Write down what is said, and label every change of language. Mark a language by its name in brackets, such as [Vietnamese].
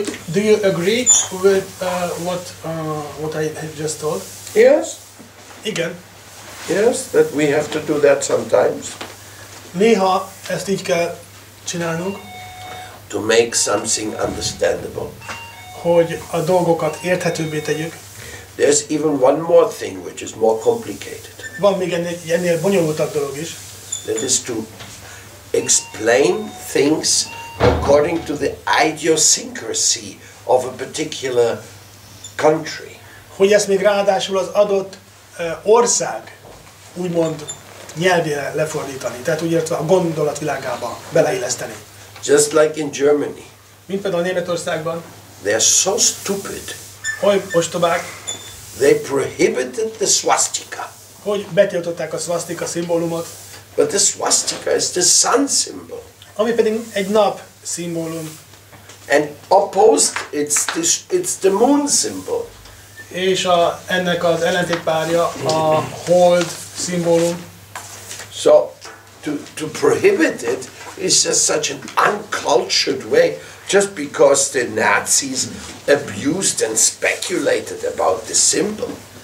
[English] Do you agree with what I have just told? Yes. [Hungarian] Igen. [English] Yes, that we have to do that sometimes. [Hungarian] Néha ezt így kell csinálnunk. [English] To make something understandable. [Hungarian] Hogy a dolgokat érthetőbbé tegyük. [English] There's even one more thing which is more complicated. [Hungarian] Van még ennél bonyolultabb dolog is. [English] That is to explain things according to the idiosyncrasy of a particular country. [Hungarian] Hogy ezt még ráadásul az adott ország úgymond nyelvére lefordítani. Tehát úgy értve a gondolatvilágába beleilleszteni. [English] Just like in Germany. [Hungarian] Mint például Németországban. [English] They are so stupid. [Hungarian] Hogy ostobák. [English] They prohibited the swastika. [Hungarian] Hogy betiltották a swastika szimbólumot. [English] But the swastika is the sun symbol. [Hungarian] Ami pedig egy nap szimbólum. [English] And opposed, it's the moon symbol. [Hungarian] És ennek az ellentétpárja a hold szimbólum. [English] So to prohibit it. It's just such an uncultured way, just because the Nazis abused and speculated about the symbol.